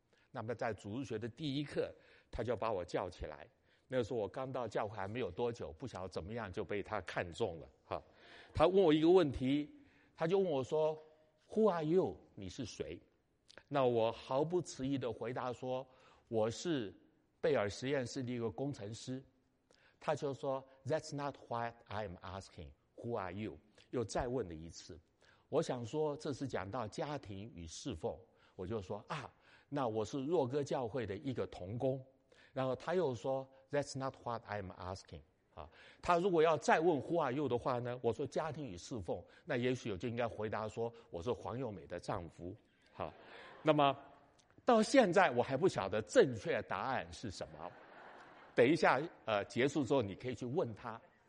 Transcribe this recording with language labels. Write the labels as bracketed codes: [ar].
[zh] 那么在主日学的第一课他就把我叫起来，那时候我刚到教会还没有多久，不晓得怎么样就被他看中了。他问我一个问题，他就问我说 [en] Who are you? [zh] 你是谁？那我毫不迟疑地回答说，我是贝尔实验室的一个工程师。 [en] 他就说 That's not what I'm asking. Who are you? [zh] 又再问了一次。我想说这是讲到家庭与侍奉，我就说啊，那我是若歌教会的一个同工。然后他又说 [en] That's not what I'm asking. [zh] 他如果要再问 [en] Who are you [zh] 的话呢，我说家庭与侍奉，那也许我就应该回答说我是黄又美的丈夫。那么到现在我还不晓得正确答案是什么，等一下结束之后你可以去问他。